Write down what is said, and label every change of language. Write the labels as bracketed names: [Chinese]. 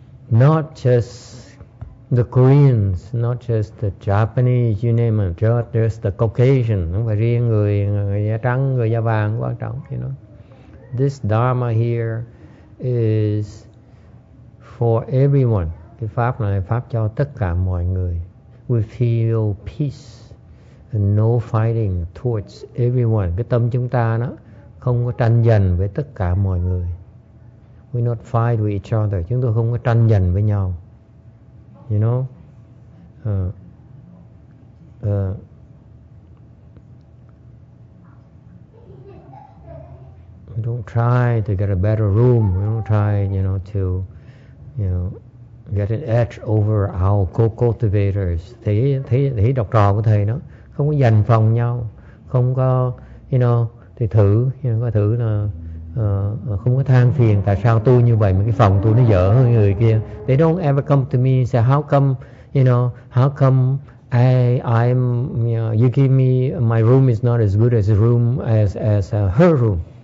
[English] Not just the Koreans, not just the Japanese, you name it, not just the Caucasian, [Vietnamese] không phải riêng người da trắng, người da vàng quan trọng, [English] you know. This Dharma here is for everyone. [Vietnamese] Cái pháp này pháp cho tất cả mọi người. [English] We feel peace and no fighting towards everyone. [Vietnamese] Cái tâm chúng ta nó không có tranh giành với tất cả mọi người. [English] We not fight with each other. [Vietnamese] Chúng tôi không có tranh giành với nhau. [English] You know? We don't try to get a better room. We don't try, you know, to, you know, get an edge over our co-cultivators. [Vietnamese] Thì đọc trò của thầy nó không có giành phòng nhau, không có, you know, thì thử, you know, có thử là không có than phiền tại sao tôi như vậy mà cái phòng tôi nó dở hơn người kia. [English] They don't ever come to me and say how come, you know, how come I'm, you know, you give me my room is not as good as the room as her room.